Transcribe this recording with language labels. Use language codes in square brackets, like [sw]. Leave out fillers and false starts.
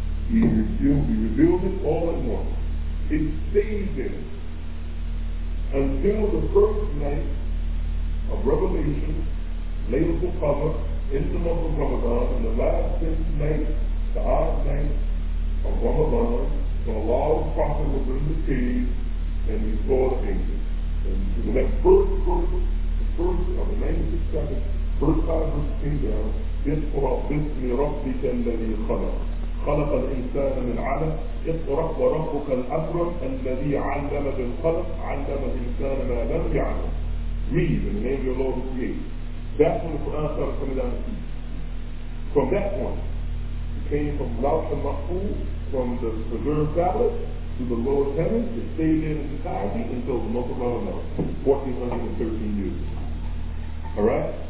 [en] He revealed it all at once. It stayed there until the first night of revelation, Laylatul Qadr, in the month of Ramadan, and the last 10th night, the odd night of Ramadan, the Allah the Prophet was in the cave, and he saw the angels. And in that first verse, the first of the 96th chapter, first 5 verses came down, [ar] اِقْرَ بِسْمِ رَبِّكَ الَّذِي خَلَقَ خَلَقَ الْإِنسَانَ مِنْ عَلَقٍ اِقْرَ وَرَبُّكَ الْأَكْرَمَ الَّذِي عَلَّمَ بِالْخَلَقِ عَلَّمَ الْإِنسَانَ مَا لَمْ يَعْلَمْ. [en] Read in the name of your Lord who created. That's when the Quran started coming down the east. From that point, it came from Lawh al-Mahfuz, from the preserved tablet, to the lowest heaven, it stayed there in society until the month of Ramadan, 1413 years. Alright?